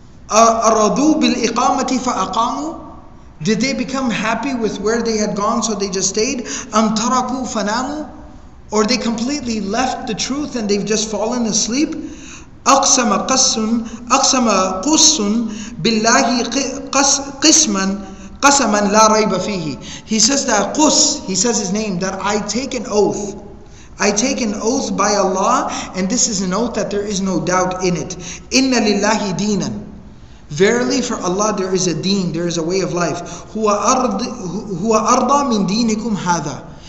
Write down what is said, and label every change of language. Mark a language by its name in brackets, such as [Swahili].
[Arabic] أرادوا بالإقامة فأقاموا. [English] Did they become happy with where they had gone, so they just stayed? [Arabic] أم تركوا فناموا. [English] Or they completely left the truth and they've just fallen asleep. [Arabic] أقسم قص بالله قسما قسما لا ريب فيه. [English] He says that قص, he says his name, that I take an oath. I take an oath by Allah, and this is an oath that there is no doubt in it. [Arabic] إِنَّ لِلَّهِ دِينًا. [English] Verily for Allah there is a deen, there is a way of life. [Arabic] هُوَ أَرْضَى مِن دِينِكُمْ هَذَا.